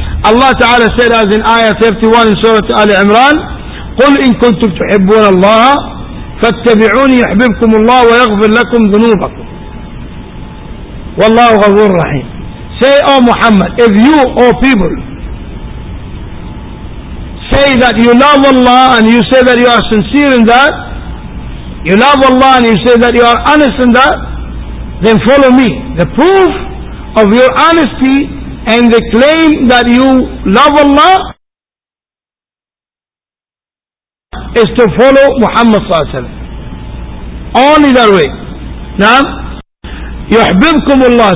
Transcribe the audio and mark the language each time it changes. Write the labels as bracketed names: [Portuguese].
[English] Allah Ta'ala said as in Ayah 31 in Surah Ali Imran, [Arabic] قُلْ إِن كُنْتُمْ تُحِبُّونَ اللَّهَ فَاتَّبِعُونِي يُحْبِبْكُمُ اللَّهُ وَيَغْفِرْ لَكُمْ ذُنُوبَكُمْ وَاللَّهُ غَفُورٌ رَحِيمٌ. [English] Say, O Muhammad, if you, O people, say that you love Allah and you say that you are sincere in that, you love Allah and you say that you are honest in that, then follow me. The proof of your honesty and the claim that you love Allah is to follow Muhammad sallallahu alaihi wasallam. Only that way. Now, [Arabic] يحببكم الله.